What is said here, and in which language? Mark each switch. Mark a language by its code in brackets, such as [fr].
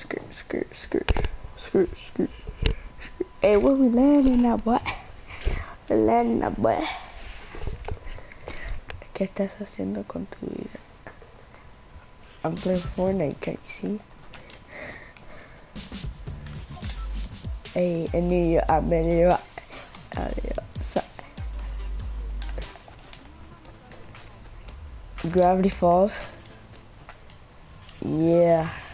[en] Skirt, skirt, skirt, skirt, skirt, skirt. Hey, where we landing now, boy? We landing now, boy. [es] ¿Qué estás haciendo con tu vida? [en] I'm playing Fortnite, can't you see? Hey, I knew you, I met you, I knew you. Gravity Falls? Yeah.